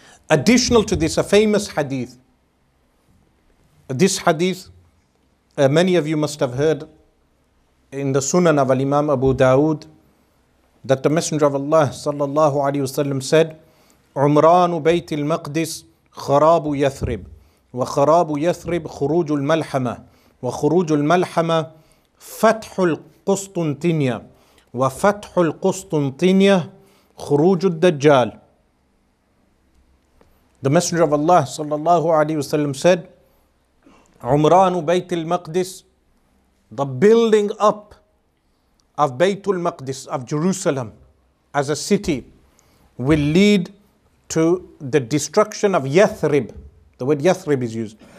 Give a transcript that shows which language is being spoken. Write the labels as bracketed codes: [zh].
[en] Additional to this, a famous hadith. This hadith, many of you must have heard in the Sunan of Imam Abu Dawood, that the Messenger of Allah sallallahu alayhi wasallam said, [ar] "Umranu bayt al-Maqdis kharabu Yathrib, wa kharabu Yathrib khurujul malhama." وخروج الملحمة فتح القسطنطينية وفتح القسطنطينية خروج الدجال. [en] The Messenger of Allah صلى الله عليه وسلم said, [ar] عمران بيت المقدس, [en] the building up of بيت المقدس, of Jerusalem as a city, will lead to the destruction of Yathrib. The word Yathrib is used.